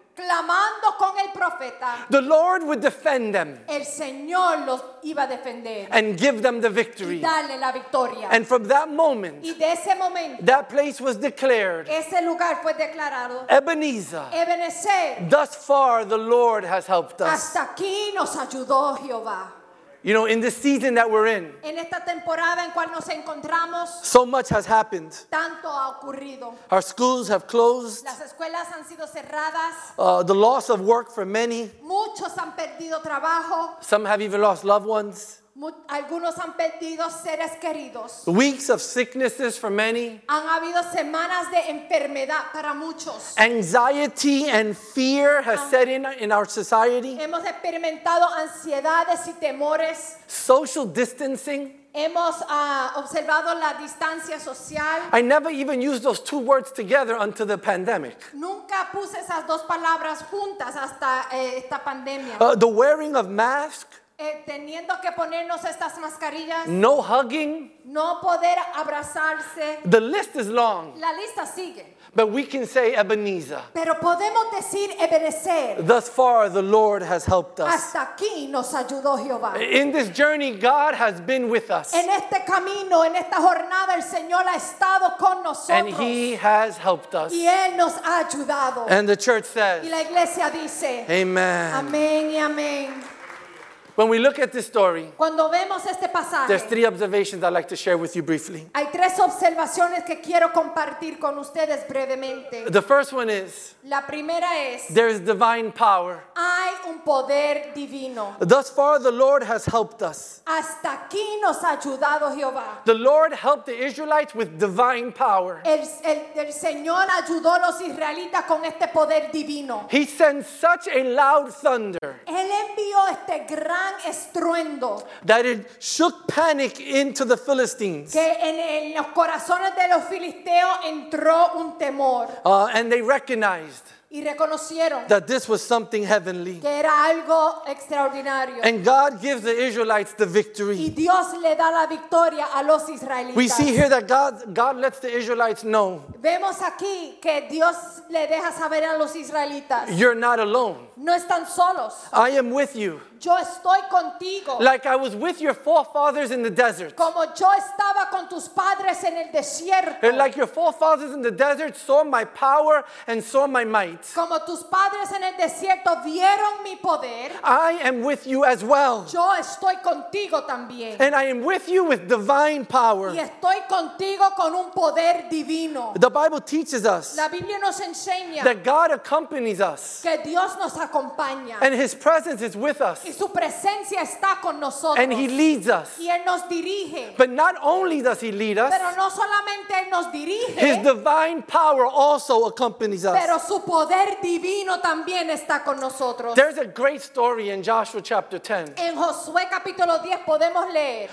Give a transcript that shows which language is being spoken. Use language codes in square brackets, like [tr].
[es] clamando con el profeta, [en] the Lord would defend them, [es] el Señor los iba a defender, [en] and give them the victory, [es] y darle la victoria. [en] And from that moment, [es] y de ese momento, [en] that place was declared, [es] ese lugar fue declarado, [en] Ebenezer, [es] Ebenezer. [en] Thus far the Lord has helped us. [es] Hasta aquí nos ayudó Jehová. [en] You know, in this season that we're in, [es] en esta temporada en cual nos encontramos, [en] so much has happened. [es] Tanto ha ocurrido. [en] Our schools have closed. [es] Las escuelas han sido cerradas. [en] The loss of work for many. [es] Muchos han perdido trabajo. [en] Some have even lost loved ones. [es] Algunos han perdido seres queridos. [en] Weeks of sicknesses for many. [es] Han habido semanas de enfermedad para muchos. [en] Anxiety and fear has set in our society. [es] Hemos experimentado ansiedades y temores. [en] Social distancing. [es] Hemos observado la distancia social. [en] I never even used those two words together until the pandemic. [es] Nunca puse esas dos palabras juntas hasta esta pandemia. [en] The wearing of masks. [es] Teniendo que ponernos estas mascarillas. [en] No hugging. [es] No poder abrazarse. [en] The list is long. [es] La lista sigue. [en] But we can say Ebenezer. [es] Pero podemos decir Ebenezer. [en] Thus far the Lord has helped us. [es] Hasta aquí nos ayudó Jehová. [en] In this journey God has been with us. [es] En este camino, en esta jornada, el Señor ha estado con nosotros. [en] And he has helped us. [es] Y él nos ha ayudado. [en] And the church says. [es] Y la iglesia dice. [en] Amen. [es] Amén y amén. [en] When we look at this story, [es] cuando vemos este pasaje, [en] there's three observations I'd like to share with you briefly. [es] Hay tres observaciones que quiero compartir con ustedes brevemente. [en] The first one is, [es] la primera es, [en] there is divine power. [es] Hay un poder divino. [en] Thus far, the Lord has helped us. [es] Hasta aquí nos ha ayudado Jehová. [en] The Lord helped the Israelites with divine power. [es] El Señor ayudó a los israelitas con este poder divino. [en] He sent such a loud thunder. [es] Él envió este gran estruendo [en] that it shook panic into the Philistines. [es] Que en los corazones de los filisteos entró un temor. [en] And they recognized [es] y reconocieron [en] that this was something heavenly. [es] Que era algo extraordinario. [en] And God gives the Israelites the victory. [es] Y Dios le da la victoria a los israelitas. [en] We see here that God lets the Israelites know. [es] Vemos aquí que Dios le deja saber a los israelitas. [en] You're not alone. [es] No están solos. [en] I am with you. [es] Yo estoy contigo. [en] Like I was with your forefathers in the desert. [es] Como yo estaba con tus padres en el desierto. [en] And like your forefathers in the desert saw my power and saw my might. [es] Como tus padres en el desierto vieron mi poder. [en] I am with you as well. [es] Yo estoy contigo también. [en] And I am with you with divine power. [es] Y estoy contigo con un poder divino. [en] The Bible teaches us. [es] La Biblia nos enseña. [en] That God accompanies us. [es] Que Dios nos [en] and his presence is with us. [es] Y su presencia está con nosotros. [en] And he leads us. [es] Y él nos dirige. [en] But not only does he lead us, [es] pero no solamente él nos dirige, [en] his divine power also accompanies us. [es] Pero su poder divino también está con nosotros. [en] There's a great story in Joshua chapter 10. [es] En Josué capítulo 10 podemos leer.